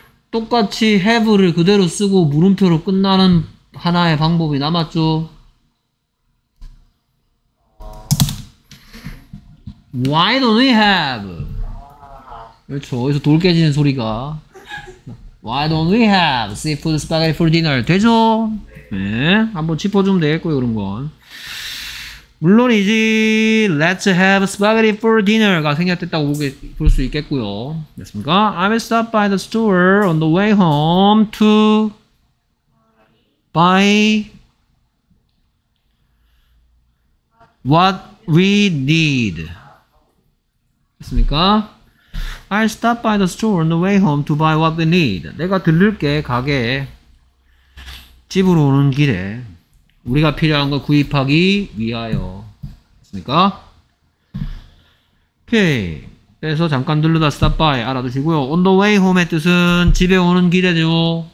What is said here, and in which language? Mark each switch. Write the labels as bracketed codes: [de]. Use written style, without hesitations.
[ko] 똑같이 have를 그대로 쓰고 물음표로 끝나는 하나의 방법이 남았죠. [en] Why don't we have? [ko] 그렇죠. 여기서 돌 깨지는 소리가. [en] Why don't we have seafood spaghetti for dinner? [ko] 되죠? 네. 한번 짚어주면 되겠고요, 그런 건. 물론이지, [en] let's have spaghetti for dinner [ko] 가 생략됐다고 볼 수 있겠고요. 됐습니까? [en] I will stop by the store on the way home to buy what we need. [ko] 됐습니까? [en] I stop by the store on the way home to buy what we need. [ko] 내가 들를게 가게에 집으로 오는 길에 우리가 필요한 걸 구입하기 위하여. 됐습니까? 오케이. 그래서 잠깐 들르다 stop by 알아두시고요. [en] On the way home [ko] 의 뜻은 집에 오는 길에죠.